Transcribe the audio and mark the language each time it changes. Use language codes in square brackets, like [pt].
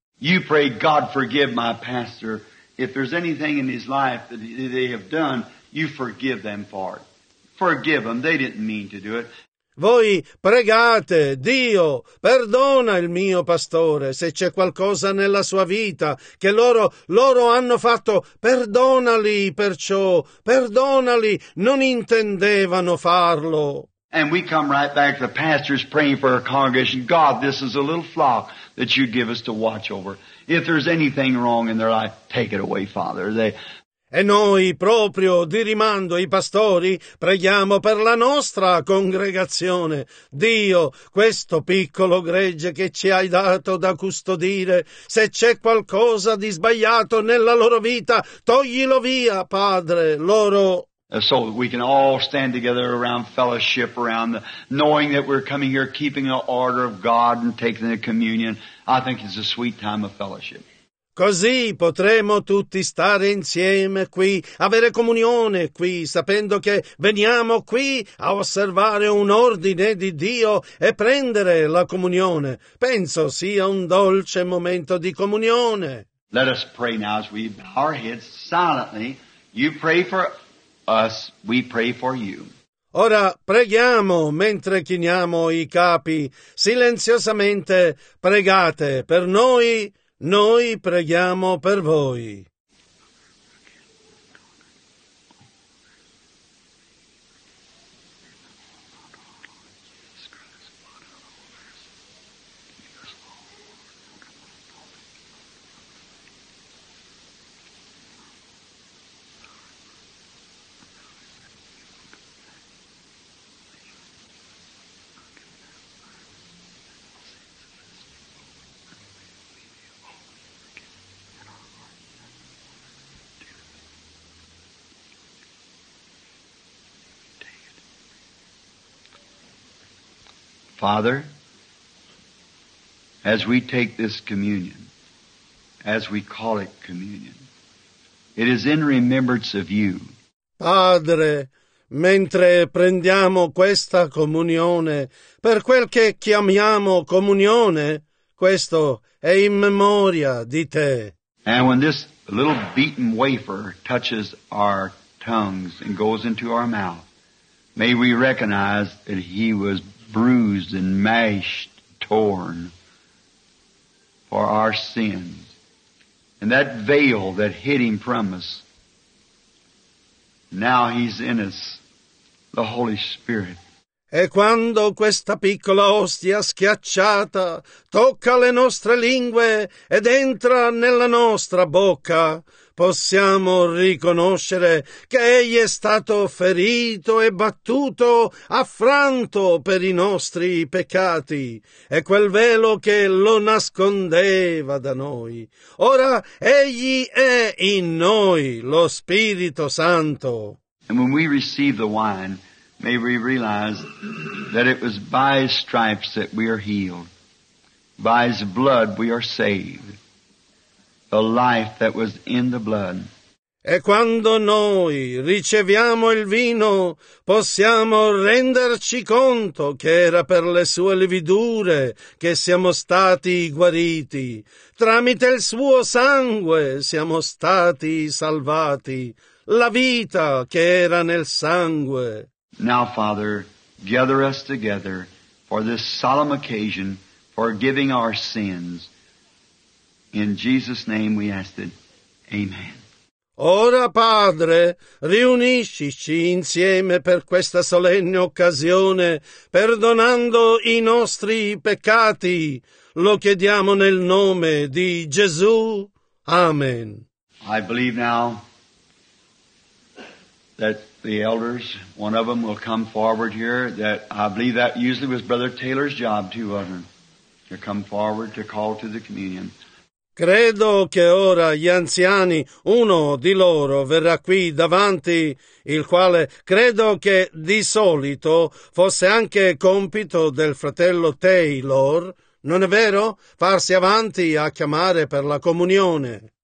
[en] You pray, God forgive my pastor, if there's anything in his life that they have done, you forgive them for it. Forgive them. They didn't mean to do it. [it] Voi pregate, Dio, perdona il mio pastore. Se c'è qualcosa nella sua vita che loro hanno fatto, perdonali perciò. Perdonali. Non intendevano farlo. [en] And we come right back to the pastors praying for our congregation. God, this is a little flock that you give us to watch over. If there's anything wrong in their life, take it away, Father. [it] E noi, proprio di rimando i pastori, preghiamo per la nostra congregazione. Dio, questo piccolo gregge che ci hai dato da custodire, se c'è qualcosa di sbagliato nella loro vita, toglilo via, Padre, loro. [en] So we can all stand together around fellowship, around the, knowing that we're coming here, keeping the order of God and taking the communion. I think it's a sweet time of fellowship. [it] Così potremo tutti stare insieme qui, avere comunione qui, sapendo che veniamo qui a osservare un ordine di Dio e prendere la comunione. Penso sia un dolce momento di comunione. [en] Let us pray now as we bow our heads silently. You pray for us, we pray for you. [it] Ora preghiamo mentre chiniamo i capi. Silenziosamente pregate per noi. Noi preghiamo per voi. [en] Father, as we take this communion, as we call it communion, it is in remembrance of you. [it] Padre, Mentre prendiamo questa comunione, per quel che chiamiamo comunione, questo è in memoria di te. [en] And when this little beaten wafer touches our tongues and goes into our mouth, may we recognize that he was bruised and mashed, torn for our sins. And that veil that hid him from us, now he's in us, the Holy Spirit. [it] E quando questa piccola ostia schiacciata tocca le nostre lingue ed entra nella nostra bocca, possiamo riconoscere che egli è stato ferito e battuto, affranto per i nostri peccati, e quel velo che lo nascondeva da noi. Ora egli è in noi, lo Spirito Santo. [en] And when we receive the wine, may we realize that it was by His stripes that we are healed. By His blood we are saved. The life that was in the blood. [it] E quando noi riceviamo il vino, possiamo renderci conto che era per le sue lividure che siamo stati guariti. Tramite il suo sangue siamo stati salvati. La vita che era nel sangue. [en] Now, Father, gather us together for this solemn occasion, forgiving our sins. In Jesus' name we ask it. Amen. [it] Ora, Padre, riuniscici insieme per questa solenne occasione, perdonando i nostri peccati. Lo chiediamo nel nome di Gesù. Amen. [en] I believe now that the elders, one of them will come forward here. That I believe that usually was Brother Taylor's job, two of them, to come forward to call to the communion. [it] Credo che ora gli anziani, uno di loro, verrà qui davanti, il quale credo che di solito fosse anche compito del fratello Taylor, non è vero? Farsi avanti a chiamare per la comunione.